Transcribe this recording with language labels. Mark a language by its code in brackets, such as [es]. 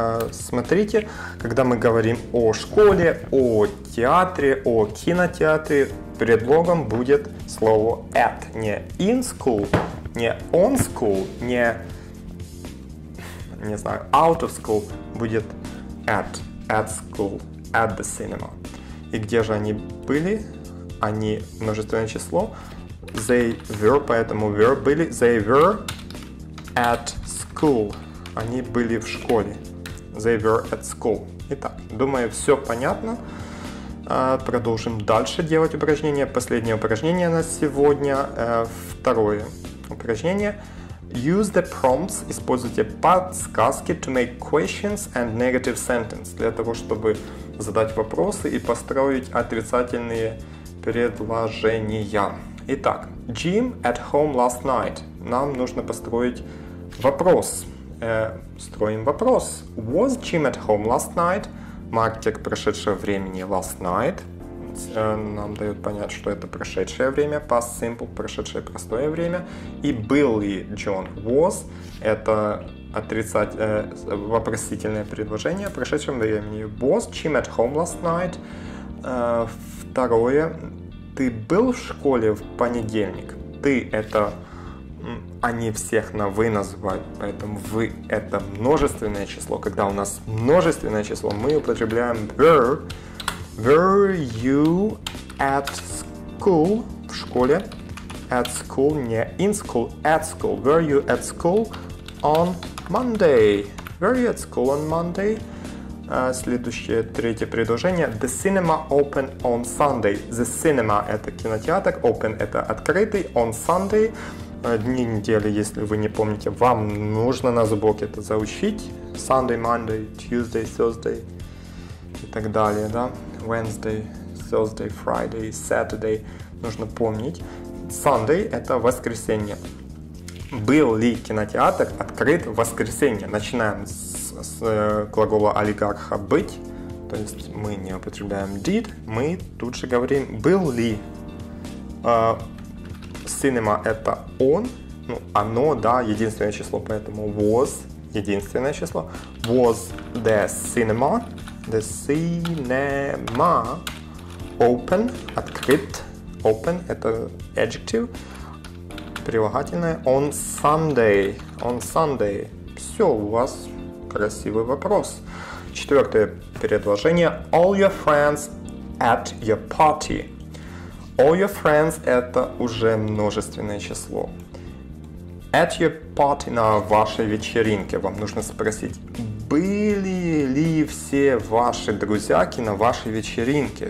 [ru] Смотрите, когда мы говорим о школе, о театре, о кинотеатре, предлогом будет слово at. Не [en] in school, [ru] не [en] on school, [ru] не знаю, [en] out of school, [ru] будет [en] at school. [ru] At the cinema. И где же они были? Они множественное число. [en] They were, [ru] поэтому [en] were [ru] были. [en] They were at school. [ru] Они были в школе. [en] They were at school. [ru] Итак, думаю, все понятно. Продолжим дальше делать упражнения. Последнее упражнение на сегодня. Второе упражнение. [en] Use the prompts. [ru] Используйте подсказки [en] to make questions and negative sentence. [ru] Для того, чтобы задать вопросы и построить отрицательные предложения. Итак, [en] Jim at home last night. [ru] Нам нужно построить вопрос. Строим вопрос. [en] Was Jim at home last night? [ru] Маркер прошедшего времени [en] last night. [ru] Нам дает понять, что это прошедшее время. [en] Past simple, [ru] прошедшее простое время. И был ли [en] John was? [ru] Это вопросительное предложение в прошедшем времени. [en] Was Jim at home last night? [ru] Второе. Ты был в школе в понедельник? Ты — это... Они всех на «вы» называют, поэтому «вы» — это множественное число. Когда у нас множественное число, мы употребляем were. [en] Were you at school? [ru] В школе. [en] At school, не in school. At school. Were you at school on Monday. Were you at school on Monday? [ru] Следующее, третье предложение. [en] The cinema open on Sunday. The cinema [ru] – это кинотеатр. Open – это открытый. [en] On Sunday [ru] – дни недели, если вы не помните. Вам нужно на зубок это заучить. [en] Sunday, Monday, Tuesday, Thursday [ru] и так далее, да? [en] Wednesday, Thursday, Friday, Saturday. [ru] Нужно помнить. Sunday – это воскресенье. Был ли кинотеатр открыт в воскресенье? Начинаем с глагола олигарха «быть». То есть мы не употребляем «did». Мы тут же говорим «был ли». Cinema – это «он». Ну, оно, да, единственное число, поэтому «was» – единственное число. [en] «Was the cinema?» «The cinema open» – [ru] открыт. [en] «Open» – [ru] это [en] adjective. [ru] Прилагательное [en] on Sunday. On Sunday. [ru] Все, у вас красивый вопрос. Четвертое предложение. [en] All your friends at your party. All your friends [ru] – это уже множественное число. [en] At your party [ru] – на вашей вечеринке. Вам нужно спросить, были ли все ваши друзьяки на вашей вечеринке?